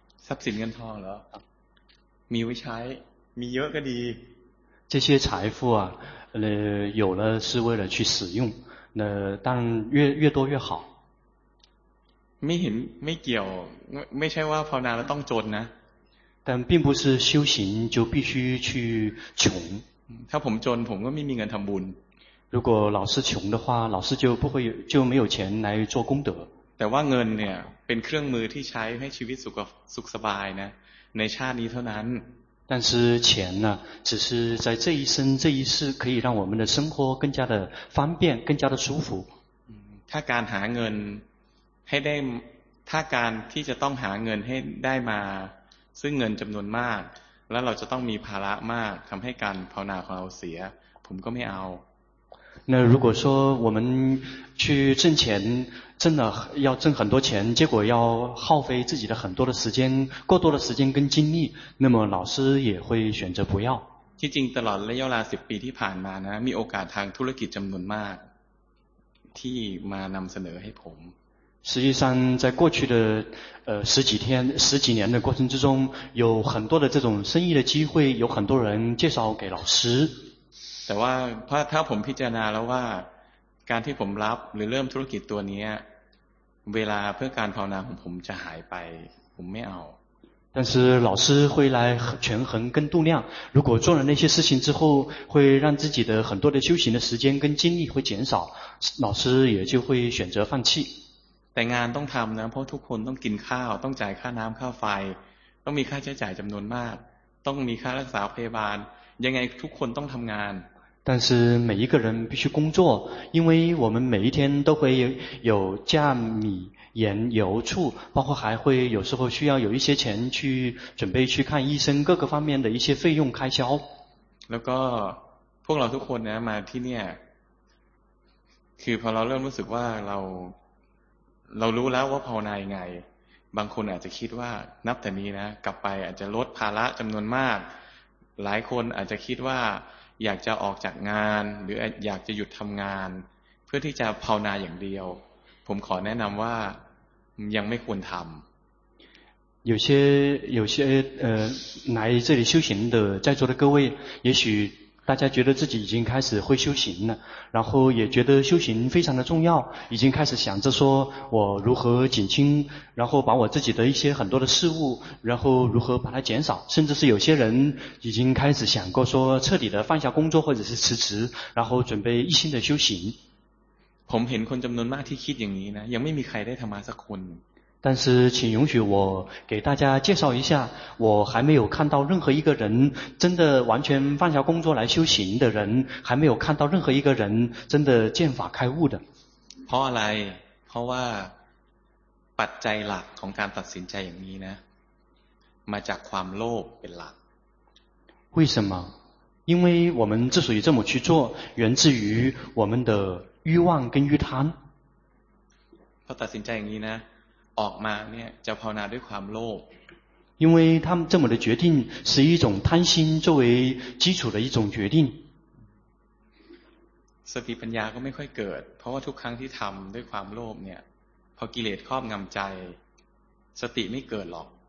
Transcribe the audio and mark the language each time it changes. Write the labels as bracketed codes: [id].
[th] ทรัพย์สินเงินทองเหรอครับมีไว้ใช้มีเยอะก็ดี [zh] 这些财富啊有了是为了去使用那但越多越好 [th] ไม่เห็นไม่เกี่ยวไม่ใช่ว่าภาวนาแล้วต้องจนนะ [zh] 但并不是修行就必须去穷 [th] ถ้าผมจนผมก็ไม่มีเงินทำบุญ [zh] 如果老师穷的话老师就不会就没有钱来做功德 [th] แต่ว่าเงินเนี่ยเป็นเครื่องมือที่ใช้ให้ชีวิตสุขสบายนะในชาตินี้เท่านั้น [zh] 但是钱呢只是在这一生这一世可以让我们的生活更加的方便更加的舒服 [th] ถ้าการหาเงินให้ได้ถ้าการที่จะต้องหาเงินให้ได้มาซึ่งเงินจำนวนมากแล้วเราจะต้องมีภาระมากทำให้การภาวนาของเราเสียผมก็ไม่เอา [zh] 那如果说我们去挣钱真的要挣很多钱结果要耗费自己的很多的时间过多的时间跟精力那么老师也会选择不要 [th] ที่จริงตลอดระยะเวลา10ปีที่ผ่านมานะมีโอกาสทางธุรกิจจำนวนมากที่มานำเสนอให้ผม [zh] 实际上在过去的十几年的过程之中有很多的这种生意的机会有很多人介绍给老师 [th] แต่ว่าถ้าผมพิจารณาแล้วว่าการที่ผมรับหรือเริ่มธุรกิจตัวนี้เวลาเพื่อการภาวนาของผมจะหายไปผมไม่เอา [zh] 但是老师会来权衡跟度量如果做了那些事情之后会让自己的很多的修行的时间跟精力会减少老师也就会选择放弃 [th] แต่งานต้องทำนะเพราะทุกคนต้องกินข้าวต้องจ่ายค่าน้ำค่าไฟต้องมีค่าใช้จ่ายจำนวนมากต้องมีค่ารักษาพยาบาลยังไงทุกคนต้องทำงาน [zh] 但是每一个人必须工作因为我们每一天都会有价米盐油醋包括还会有时候需要有一些钱去准备去看医生各个方面的一些费用开销 [th] แล้วก็พวกเราทุกคนนะมาที่เนี่ยคือพอเราเริ่มรู้สึกว่าเรารู้แล้วว่าภาวนายังไงบางคนอาจจะคิดว่านับแต่นี้นะกลับไปอาจจะลดภาระจำนวนมากหลายคนอาจจะคิดว่าอยากจะออกจากงานหรืออยากจะหยุดทำงานเพื่อที่จะภาวนาอย่างเดียวผมขอแนะนำว่ายังไม่ควรทำ [zh] 有些来这里修行的在座的各位也许大家觉得自己已经开始会修行了然后也觉得修行非常的重要已经开始想着说我如何减轻然后把我自己的一些很多的事物然后如何把它减少甚至是有些人已经开始想过说彻底的放下工作或者是辞职然后准备一心的修行 [th] ผมเห็นคนจำนวนมากที่คิดอย่างนี้นะยังไม่มีใครได้ทำมาสักคน [zh] 但是请允许我给大家介绍一下我还没有看到任何一个人真的完全放下工作来修行的人还没有看到任何一个人真的见法开悟的 [th] เพราะอะไรเพราะว่าปัจจัยหลักของการตัดสินใจอย่างนี้นะมาจากความโลภเป็นหลัก [zh] 为什么因为我们之所以这么去做源自于我们的欲望跟欲贪 [th] เพราะตัดสินใจอย่างนี้นะออกมาเนี่ยจะภาวนาด้วยความโลภ [zh] 因为他们这么的决定是一种贪心作为基础的一种决定 [th] สติปัญญาก็ไม่ค่อยเกิดเพราะว่าทุกครั้งที่ทำด้วยความโลภเนี่ยพอกิเลสครอบงำใจสติไม่เกิดหรอก